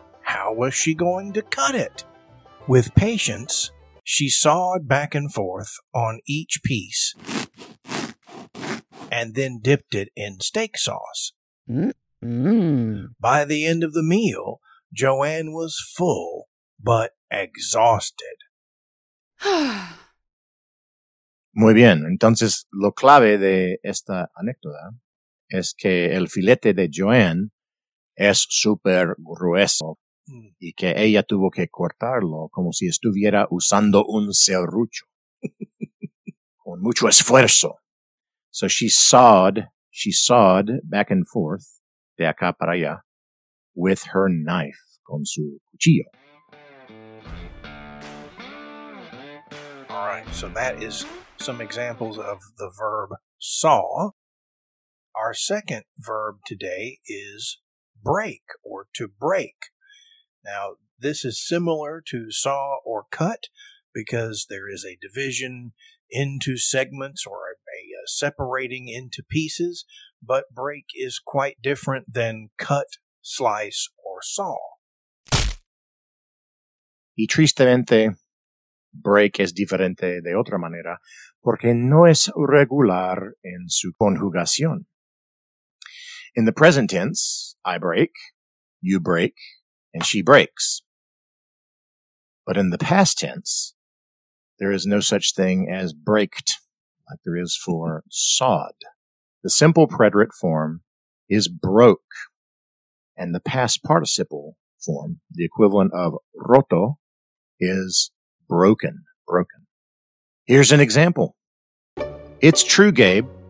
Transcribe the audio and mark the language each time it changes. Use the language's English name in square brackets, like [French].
[English] How was she going to cut it? With patience, she sawed back and forth on each piece and then dipped it in steak sauce. Mm-hmm. By the end of the meal, Joanne was full but exhausted. [Spanish] Muy bien. Entonces, lo clave de esta anécdota es que el filete de Joanne es súper grueso y que ella tuvo que cortarlo como si estuviera usando un serrucho con mucho esfuerzo. [English] So she sawed back and forth, [Spanish] de acá para allá, [English] with her knife, [Spanish] con su cuchillo. [English] All right, so that is some examples of the verb saw. Our second verb today is break or to break. Now, this is similar to saw or cut because there is a division into segments or a separating into pieces, but break is quite different than cut, slice, or saw. [Spanish] Y tristemente, break es diferente de otra manera porque no es regular en su conjugación. [English] In the present tense, I break, you break, and she breaks. But in the past tense, there is no such thing as braked, like there is for sawed. The simple preterite form is broke, and the past participle form, the equivalent of roto, is broken, broken. Here's an example. It's true, Gabe.